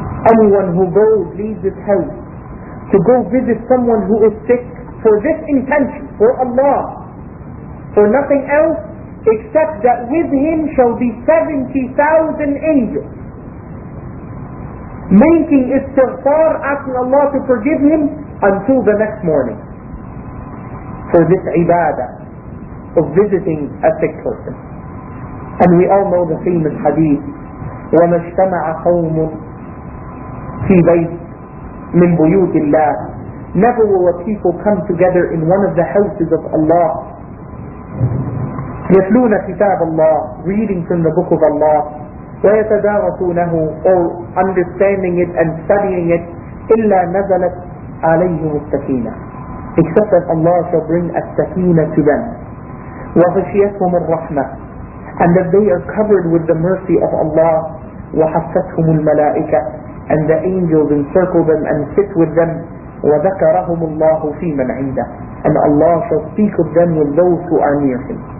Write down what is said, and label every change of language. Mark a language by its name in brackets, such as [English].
[English] Anyone who goes, leaves his house to go visit someone who is sick for this intention, for Allah, for nothing else, except that with him shall be 70,000 angels, making istighfar, asking Allah to forgive him until the next morning, for this ibadah of visiting a sick person. And we all know the famous hadith, [Arabic] وَمَا اجْتَمَعَ قَوْمٌ في بيت من بيوت الله. [English] Never will a people come together in one of the houses of Allah. [Arabic] يتلون كتاب الله, [English] reading from the book of Allah. [Arabic] ويتدارسونه [English] or understanding it and studying it [Arabic] إلا نزلت عليهم السكينة [English] except that Allah shall bring a sakina to them [Arabic] وغشيتهم الرحمة [English] and that they are covered with the mercy of Allah [Arabic] وحفتهم الملائكة [English] and the angels encircle them and sit with them [Arabic] وذكرهم الله في من عنده [English] and Allah shall speak of them with those who are near him.